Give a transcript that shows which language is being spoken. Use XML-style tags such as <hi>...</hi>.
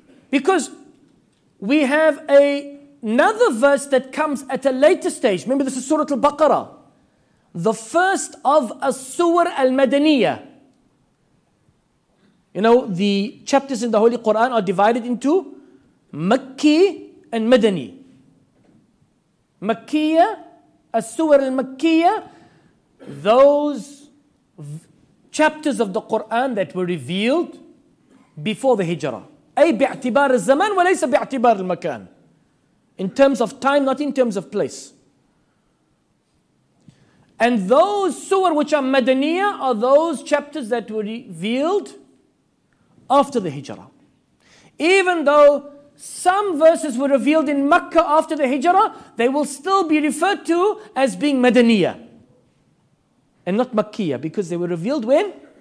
<en>Because we have another verse that comes at a later stage. Remember, this is Surah Al-Baqarah, the first of a Surah Al-Madaniyah. You know, the chapters in the Holy Quran are divided into</en> <ar>مكي and مدني. مكية, السور المكية,</ar> <en>those chapters of the Quran that were revealed before the Hijra.</en> <ar>أي باعتبار الزمان وليس باعتبار المكان.</ar> <en>In terms of time, not in terms of place. And those surah which are madaniyah are those chapters that were revealed after the Hijrah. Even though some verses were revealed in Makkah after the Hijrah, they will still be referred to as being madaniyah and not Makkiyah, because they were revealed when?</en>